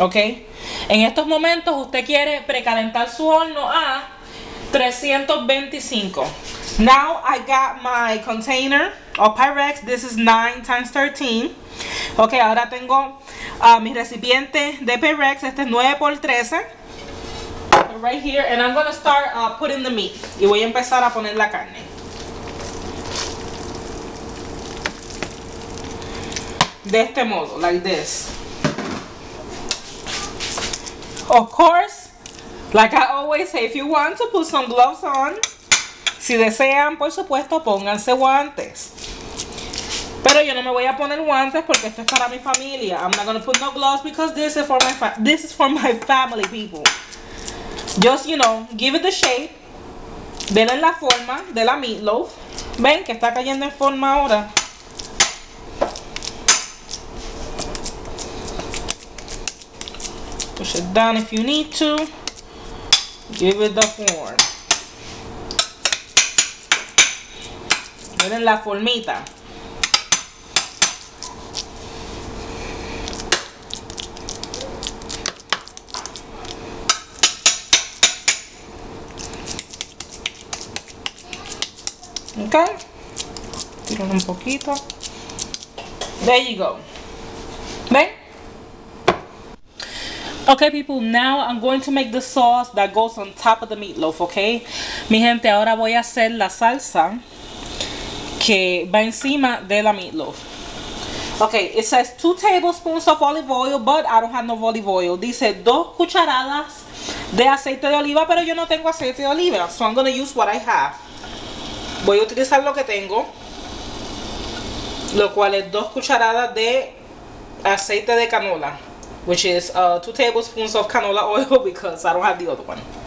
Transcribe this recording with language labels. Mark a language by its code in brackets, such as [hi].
[es] Okay? En estos momentos usted quiere precalentar su horno a 325. [en] Now I got my container of Pyrex. This is 9 times 13. Okay, [es] ahora tengo mi recipiente de Pyrex. Este es 9x13. [en] Right here, and I'm gonna start putting the meat. [es] Y voy a empezar a poner la carne. De este modo, [en] like this. Of course, like I always say, if you want to put some gloves on, [es] si desean, por supuesto, pónganse guantes. Pero yo no me voy a poner guantes porque esto es para mi familia. [en] I'm not gonna put no gloves because this is for my family, people. Just, you know, give it the shape. [es] Denle la forma de la meatloaf. Ven que está cayendo en forma ahora. [en] Push it down if you need to. Give it the form. [es] Denle la formita. Okay, tiro un poquito. [en] There you go. [es] Ven. [en] Okay, people, now I'm going to make the sauce that goes on top of the meatloaf, okay? [es] Mi gente, ahora voy a hacer la salsa que va encima de la meatloaf. [en] Okay, it says 2 tablespoons of olive oil, but I don't have no olive oil. [es] Dice 2 cucharadas de aceite de oliva, pero yo no tengo aceite de oliva, [en] so I'm gonna use what I have. [es] Voy a utilizar lo que tengo, lo cual es 2 cucharadas de aceite de canola, [en] which is 2 tablespoons of canola oil because I don't have the other one.